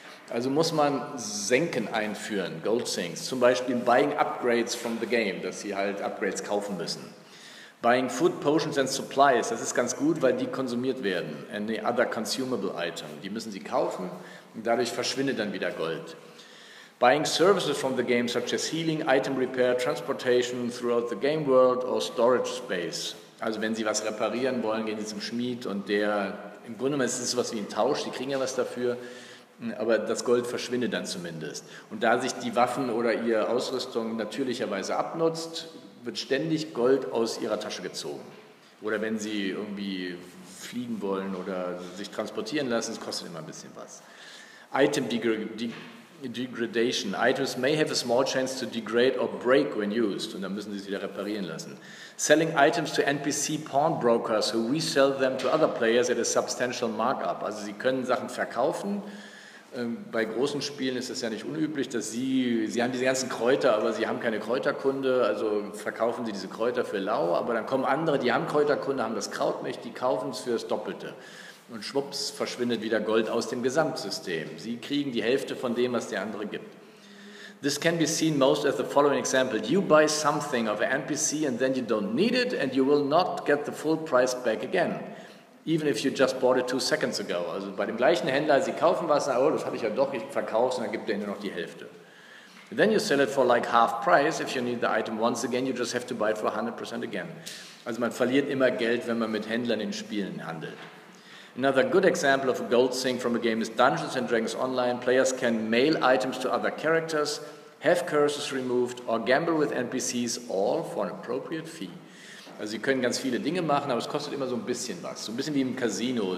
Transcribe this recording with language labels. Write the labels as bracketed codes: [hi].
[de] Also muss man Senken einführen, Gold Sinks, zum Beispiel [en] Buying Upgrades from the Game, [de] dass sie halt Upgrades kaufen müssen. [en] Buying Food, Potions and Supplies, [de] das ist ganz gut, weil die konsumiert werden. [en] Any other consumable item, [de] die müssen sie kaufen und dadurch verschwindet dann wieder Gold. [en] Buying Services from the Game, such as Healing, Item Repair, Transportation throughout the Game World or Storage Space. [de] Also wenn sie was reparieren wollen, gehen sie zum Schmied und der, im Grunde genommen ist es sowas wie ein Tausch, die kriegen ja was dafür. Aber das Gold verschwindet dann zumindest. Und da sich die Waffen oder ihre Ausrüstung natürlicherweise abnutzt, wird ständig Gold aus ihrer Tasche gezogen. Oder wenn sie irgendwie fliegen wollen oder sich transportieren lassen, es kostet immer ein bisschen was. [en] Item Degradation. Items may have a small chance to degrade or break when used. [de] Und dann müssen sie es wieder reparieren lassen. [en] Selling items to NPC pawnbrokers who resell them to other players at a substantial markup. [de] Also sie können Sachen verkaufen. Bei großen Spielen ist es ja nicht unüblich, dass Sie haben diese ganzen Kräuter, aber Sie haben keine Kräuterkunde, also verkaufen Sie diese Kräuter für lau, aber dann kommen andere, die haben Kräuterkunde, haben das Kraut nicht, die kaufen es für das Doppelte. Und schwupps, verschwindet wieder Gold aus dem Gesamtsystem. Sie kriegen die Hälfte von dem, was der andere gibt. [en] This can be seen most as the following example. You buy something of an NPC and then you don't need it and you will not get the full price back again. Even if you just bought it 2 seconds ago. [de] Also bei dem gleichen Händler, Sie kaufen was, oh, das habe ich ja doch, ich verkaufe es und dann gibt er Ihnen noch die Hälfte. [en] And then you sell it for like half price. If you need the item once again, you just have to buy it for 100% again. [de] Also man verliert immer Geld, wenn man mit Händlern in Spielen handelt. [en] Another good example of a gold sink from a game is Dungeons and Dragons Online. Players can mail items to other characters, have curses removed or gamble with NPCs all for an appropriate fee. [de] Also Sie können ganz viele Dinge machen, aber es kostet immer so ein bisschen was. So ein bisschen wie im Casino.